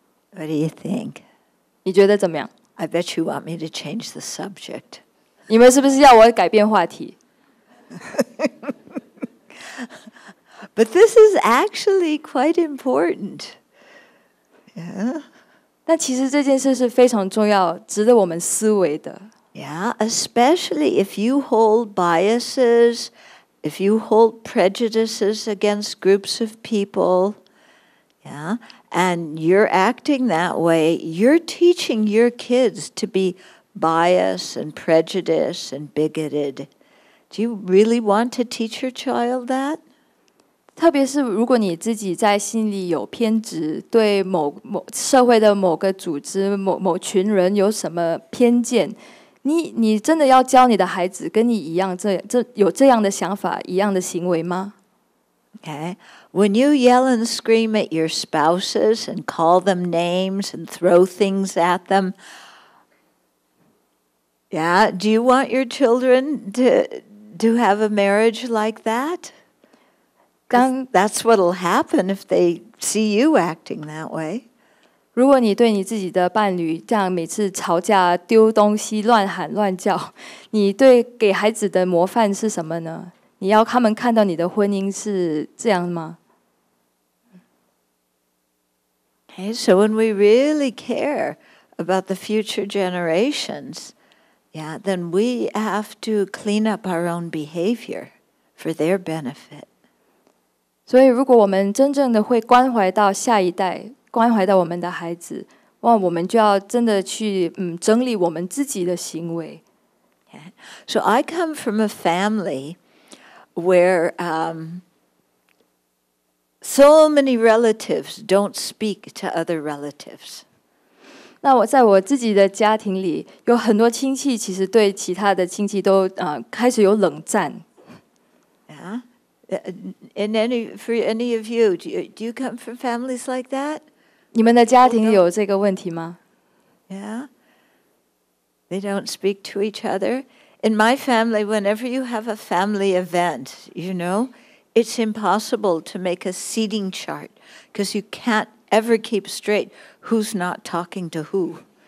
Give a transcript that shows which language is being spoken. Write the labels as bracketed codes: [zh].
[en] What do you think? [zh] 你觉得怎么样? [en] I bet you want me to change the subject. [zh] 你们是不是要我改变话题? [en] But this is actually quite important. Yeah. [zh] 但其实这件事是非常重要，值得我们思维的。 [en] Yeah, especially if you hold biases, if you hold prejudices against groups of people. Yeah. And you're acting that way, you're teaching your kids to be biased and prejudiced and bigoted. Do you really want to teach your child that? [zh] 特别是如果你自己在心里有偏执，对某社会的某个组织、某群人有什么偏见，你真的要教你的孩子跟你一样有这样的想法、一样的行为吗？ [en] Okay. When you yell and scream at your spouses and call them names and throw things at them, yeah, do you want your children to have a marriage like that? That's what will happen if they see you acting that way. [zh] 如果你对你自己的伴侣这样每次吵架、丢东西、乱喊乱叫，你对给孩子的模范是什么呢？你要他们看到你的婚姻是这样吗？ [en] Okay, so when we really care about the future generations, yeah, then we have to clean up our own behavior for their benefit. [zh] 所以如果我们真正的会关怀到下一代，关怀到我们的孩子，哇，我们就要真的去整理我们自己的行为。 [en] Okay, so I come from a family... where so many relatives don't speak to other relatives. [zh] 那我在我自己的家庭里有很多亲戚其实对其他的亲戚都开始有冷战。 [en] Yeah. For any of you, do you come from families like that? [zh] 你们的家庭有这个问题吗? [en] Yeah. They don't speak to each other. In my family, whenever you have a family event, you know, it's impossible to make a seating chart because you can't ever keep straight who's not talking to who.